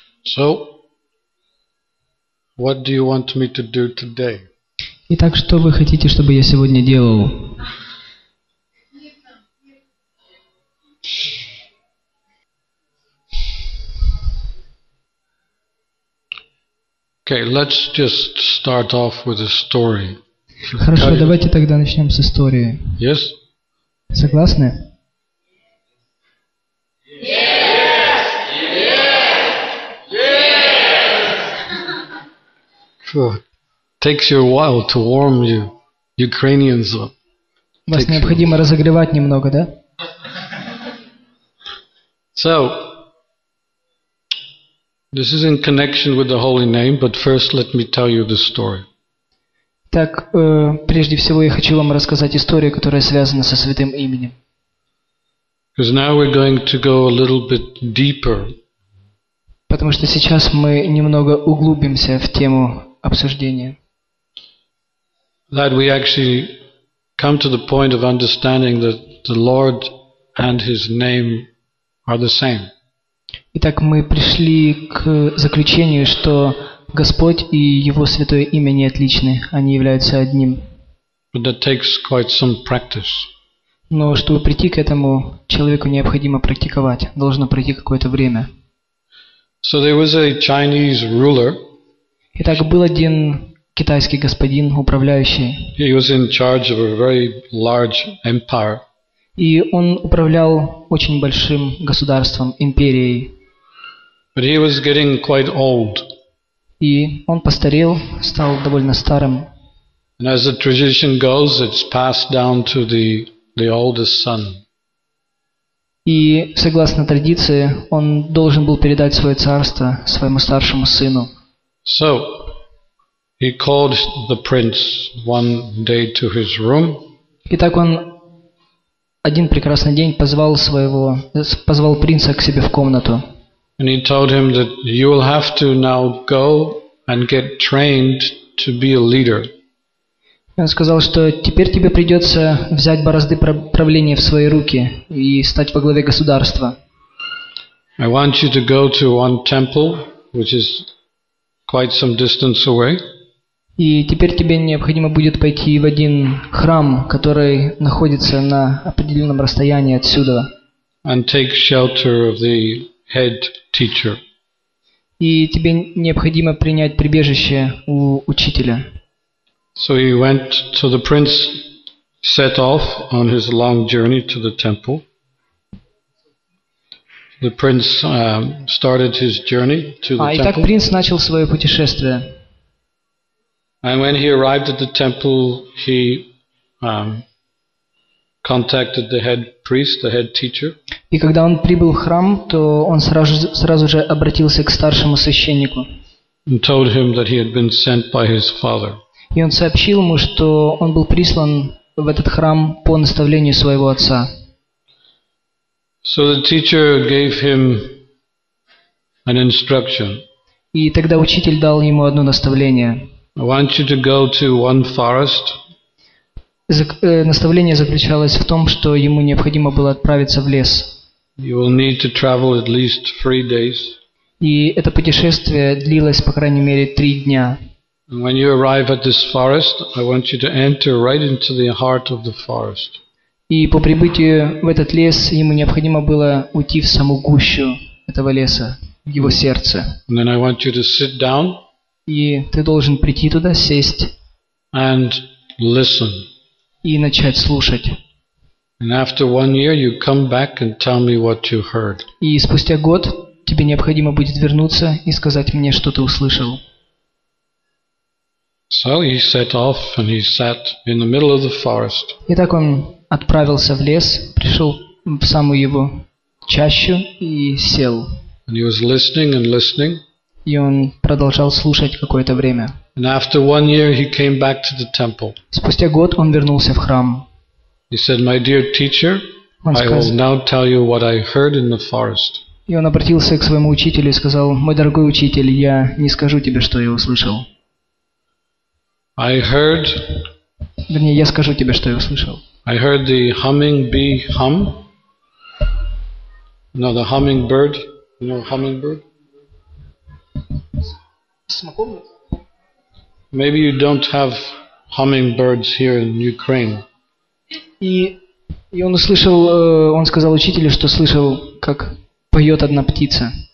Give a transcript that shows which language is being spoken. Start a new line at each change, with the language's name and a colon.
English: So, what do you want me to do today?
Russian: Итак, что вы хотите, чтобы я сегодня делал?
English: Okay, let's just start off with a story.
Russian: Хорошо, давайте тогда начнем с истории.
English: Yes?
Russian: Согласны?
English: Takes you a while to warm you, Ukrainians up.
Russian: Вас необходимо разогревать немного, да?
English: So, this is in connection with the holy name, but first let me tell you the story.
Russian: Так, прежде всего я хочу вам рассказать историю, которая связана со святым именем.
English: Because now we're going to go a little bit deeper.
Russian: Потому что сейчас мы немного углубимся в тему обсуждения.
English: That we actually come to the point of understanding that the Lord and His name are the same.
Russian: Итак, мы пришли к заключению, что Господь и Его святое имя не отличны, они являются одним.
English: But that takes quite some practice.
Russian: Но чтобы прийти к этому, человеку необходимо практиковать, должно пройти какое-то время.
English: So there was a Chinese ruler.
Russian: Итак, был один китайский господин, управляющий.
English: He was in charge of a very large empire.
Russian: И он управлял очень большим государством, империей.
English: But he was getting quite old.
Russian: И он постарел, стал довольно старым.
English: And as the tradition goes, it's passed down to the oldest son.
Russian: И согласно традиции, он должен был передать свое царство своему старшему сыну.
English: So, he called the prince one day to his room.
Russian: Итак, он один прекрасный день позвал позвал принца к себе в комнату.
English: And he told him that you will have to now go and get trained to be a leader.
Russian: Он сказал, что теперь тебе придется взять борозды правления в свои руки и стать во главе государства.
English: I want you to go to one temple, which is quite some distance away.
Russian: И теперь тебе необходимо будет пойти в один храм, который находится на определенном расстоянии отсюда.
English: And take shelter of the head teacher.
Russian: И тебе необходимо принять прибежище у учителя.
English: So he went, so the prince set off on his long journey to the temple. The prince started his journey to the temple.
Russian: Итак, принц начал свое путешествие.
English: And when he arrived at the temple, he contacted the head priest, the head teacher.
Russian: И когда он прибыл в храм, то он сразу же обратился к старшему священнику.
English: And told him that he had been sent by his father.
Russian: И он сообщил ему, что он был прислан в этот храм по наставлению своего отца.
English: So the teacher gave him an instruction.
Russian: И тогда учитель дал ему одно наставление.
English: I want you to go to one forest.
Russian: Наставление заключалось в том, что ему необходимо было отправиться в лес.
English: You will need to travel at least 3 days.
Russian: И это путешествие длилось, по крайней мере, 3 дня.
English: And when you arrive at this forest, I want you to enter right into the heart of the forest.
Russian: И по прибытию в этот лес ему необходимо было уйти в саму гущу этого леса, в его сердце.
English: And then I want you to sit down.
Russian: И ты должен прийти туда, сесть.
English: And listen.
Russian: И начать слушать.
English: And after 1 year, you come back and tell me what you heard.
Russian: И спустя год тебе необходимо будет вернуться и сказать мне, что ты услышал.
English: So he set off and he sat in the middle of the forest.
Russian: Итак, он отправился в лес, пришел в самую его чащу и сел.
English: And he was listening and listening.
Russian: И он продолжал слушать какое-то время.
English: And after 1 year he came back to the temple.
Russian: Спустя год он вернулся в храм.
English: He said, "My dear teacher, I will now tell you what I heard in the forest."
Russian: И он обратился к своему учителю и сказал: "Мой дорогой учитель, я не скажу тебе, что я услышал."
English: I heard.
Russian: Вернее, я скажу тебе, что я услышал.
English: I heard the humming bee hum. No, the hummingbird. You know hummingbird? Maybe you don't have hummingbirds here in Ukraine.
Russian: И он услышал, он сказал учителю, что слышал, как поет одна птица.